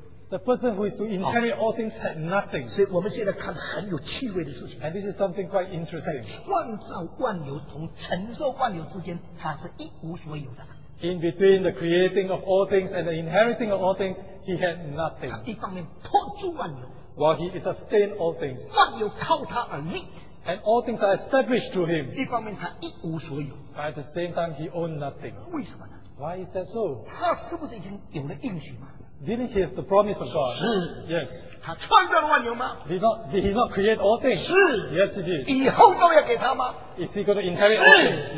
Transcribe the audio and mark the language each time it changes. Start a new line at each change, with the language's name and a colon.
English: The person who is to inherit all things had nothing.
Chinese: 所以我们现在看很有趣味的事情。
English: And this is something quite interesting.
Chinese: 在创造万有从承受万有之间，他是一无所有的。
English: In between the creating of all things and the inheriting of all things, he had nothing.
Chinese: 他一方面托住万有,
English: while he sustained all things,
Chinese: 万有靠他而立,
English: and all things are established through him,
Chinese: 一方面他一无所有,
English: but at the same time, he owned nothing.
Chinese: 为什么呢?
English: Why is that so?
Chinese: 他是不是已经有了应许吗?
English: Didn't he have the promise of God?
Chinese: 是,
English: yes.
Chinese: 他创造了万有吗?
English: Did he not create all things?
Chinese: 是,
English: yes, he did.
Chinese: 以后都要给他吗?
English: Is he going to inherit
Chinese: 是,
English: all things?